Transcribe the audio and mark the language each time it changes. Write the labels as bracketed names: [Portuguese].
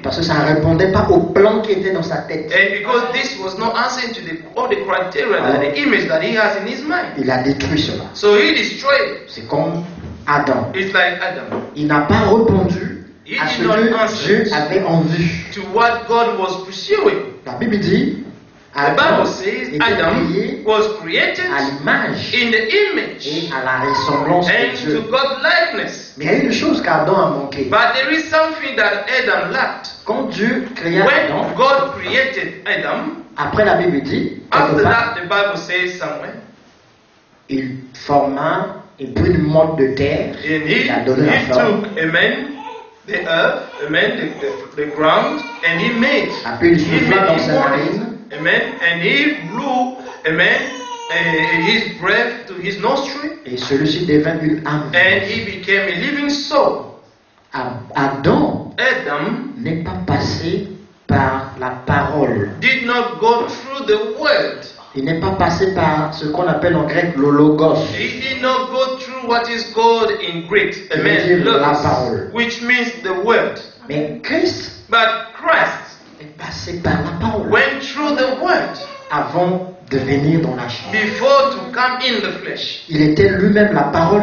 [French] Parce que ça ne répondait pas au plan qui était dans sa tête. [English] And because this was not answering to all the criteria and the image that he has in his mind. [French] Il a détruit cela. [English] So he destroyed. [French] C'est comme Adam. [English] It's like Adam. [French] Il n'a pas répondu à ce que Dieu avait en vue. [English] To what God was pursuing. [French] La Bible dit. [English] The Bible says Adam was created [French] à l'image [English] in the image [French] et à la ressemblance [English] and [French] de Dieu. [English] To God likeness. [French] Mais il y a une chose qu'Adam a manqué. [English] But there is something that Adam lacked. [French] Quand Dieu créa [English] when [French] Adam, [English] God created Adam, [French] après la Bible dit, [English] after that, the Bible says somewhere, [French] il forma une brute motte de terre et il a donné la forme. [English] Took, amen, the earth, amen, the ground, and he made. [French] Après, il souffla dans sa narine. [English] Amen. And he blew, amen, his breath to his nostril. [French] Et celui-ci devint une âme. [English] And he became a living soul. Adam. Adam [French] n'est pas passé par la parole. [English] Did not go through the word. [French] Il n'est pas passé par ce qu'on appelle en grec le logos. [English] He did not go through what is called in Greek, amen, [French] logos, la parole. [English] Which means the word. [French] Mais Christ. [English] But Christ. [French] Est passé par la parole. [English] Went through the word. [French] Avant de venir dans la chair. [English] Before to come in the flesh. [French] Il était lui-même la parole.